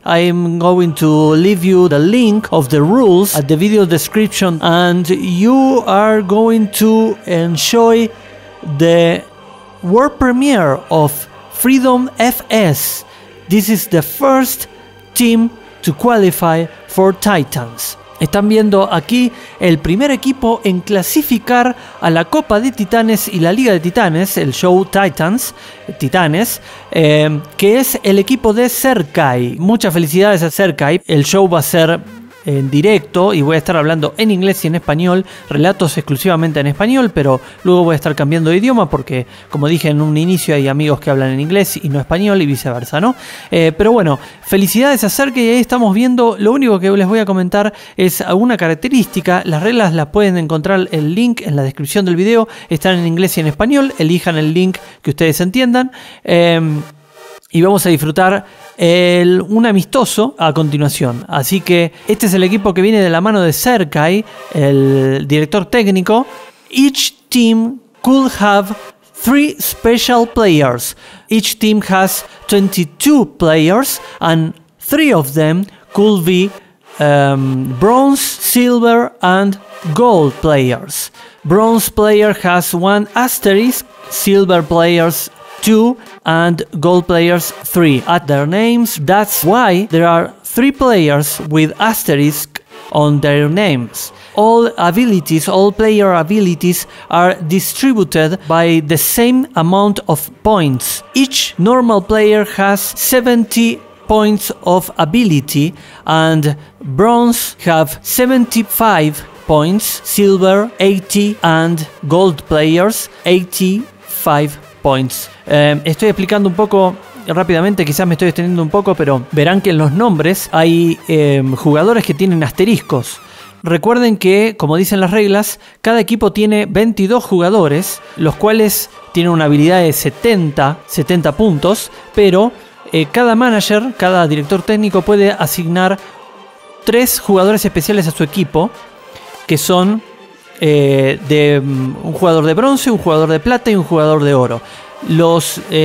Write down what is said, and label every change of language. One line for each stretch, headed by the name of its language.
English: I'm going to leave you the link of the rules at the video description, and you are going to enjoy the world premiere of Freedom FS. This is the first team to qualify for TITANS.
Spanish: Están viendo aquí el primer equipo en clasificar a la Copa de Titanes y la Liga de Titanes, el show TITANS, Titanes, que es el equipo de Serkai. Muchas felicidades a Serkai. El show va a ser en directo y voy a estar hablando en inglés y en español, relatos exclusivamente en español, pero luego voy a estar cambiando de idioma porque, como dije en un inicio, hay amigos que hablan en inglés y no español y viceversa, ¿no? Pero bueno, felicidades a Serkai, y ahí estamos viendo. Lo único que les voy a comentar es alguna característica. Las reglas las pueden encontrar el link en la descripción del video, están en inglés y en español, elijan el link que ustedes entiendan. Y vamos a disfrutar un amistoso a continuación. Así que este es el equipo que viene de la mano de Serkai, el director técnico.
English: Each team could have 3 special players. Each team has 22 players and 3 of them could be bronze, silver and gold players. Bronze player has 1 asterisk, silver players 2 and gold players 3 at their names. That's why there are 3 players with asterisk on their names. All abilities, all player abilities are distributed by the same amount of points. Each normal player has 70 points of ability and bronze have 75 points, silver 80 and gold players 85 points.
Spanish: Estoy explicando un poco rápidamente, quizás me estoy extendiendo un poco, pero verán que en los nombres hay jugadores que tienen asteriscos. Recuerden que, como dicen las reglas, cada equipo tiene 22 jugadores, los cuales tienen una habilidad de 70 puntos, pero cada manager, cada director técnico puede asignar 3 jugadores especiales a su equipo, que son un jugador de bronce, un jugador de plata y un jugador de oro. Los